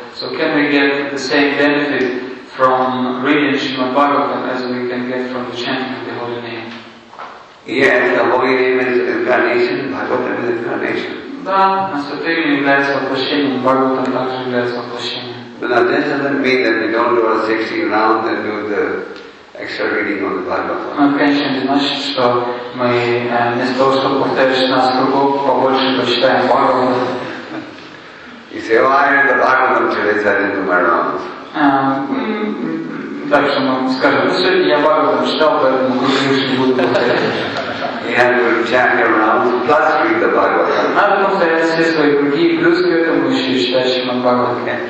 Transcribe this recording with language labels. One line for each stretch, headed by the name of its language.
English: So can we get the same benefit from reading Shrimad Bhagavatam as we can get from the chanting of the holy name? Yes, the holy name is incarnation, Bhagavatam is incarnation.
Russian: Да, Насатева является воплощением, Бхагаватам также является воплощением.
English: But now this doesn't mean that we don't do our 60 rounds and do the extra reading on the Bhagavatam.
Russian: Но конечно не значит, что мы вместо того, чтобы повторить 16 кругов, побольше прочитаем Бхагаватам.
English: You say, oh, I read the Bhagavatam today, so I didn't do my rounds.
Russian: Так что мы скажем, сегодня я Бхагаватам читал, поэтому мы не будем повторять.
English: You have to chant your rounds plus read the Bhagavatam.
Russian: Надо повторять все свои круги, плюс к этому еще читать Шримад Бхагаватам.